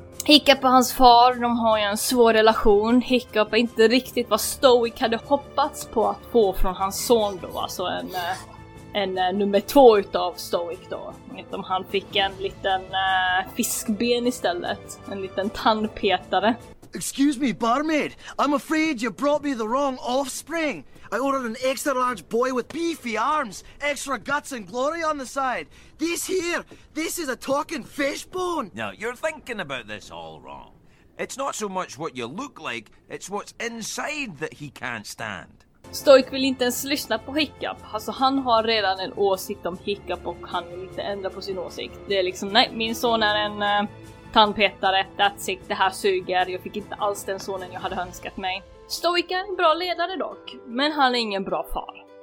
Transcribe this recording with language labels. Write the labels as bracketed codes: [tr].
[sv] Hiccup och hans far, de har ju en svår relation. Hiccup är inte riktigt vad Stoic hade hoppats på att få från hans son då. Alltså en nummer två utav Stoic då. Om han fick en liten fiskben istället. En liten tandpetare. [en] Excuse me, barmaid. I'm afraid you brought me the wrong offspring. I ordered an extra large boy with beefy arms, extra guts and glory on the side. This is a talking fishbone. Now, you're thinking about this all wrong. It's not so much what you look like, it's what's inside that he can't stand. [sv] Stoik vill inte ens lyssna på Hiccup. Alltså han har redan en åsikt om Hiccup och han vill inte ändra på sin åsikt. Det är liksom, nej, min son är en tandpetare, [en] that's it, [sv] det här suger. Jag fick inte alls den sonen jag hade önskat mig. Stoik är en bra ledare dock, men han är ingen bra far.